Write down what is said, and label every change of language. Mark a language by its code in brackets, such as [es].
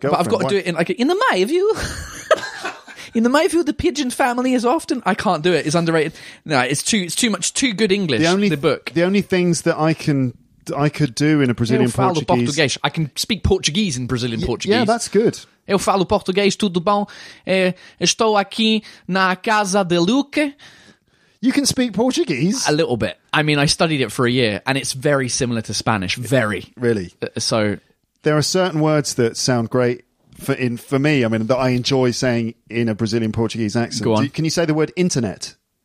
[en] But I've got to do it in the my view. In the my view, the pigeon family is often... I can't do it. It's underrated. No, it's too much. Too good English, the book. The only things that I could do in a Brazilian Portuguese... I can speak Portuguese in Brazilian Portuguese. Yeah, that's good. [pt] Eu falo português, tudo bom? Estou aqui na casa de Luque. [en] You can speak Portuguese? A little bit. I mean, I studied it for a year, and it's very similar to Spanish. Very. Really? So... There are certain words that sound great. For me, I mean, that I enjoy saying in a Brazilian Portuguese accent. Go on. Can you say the word internet?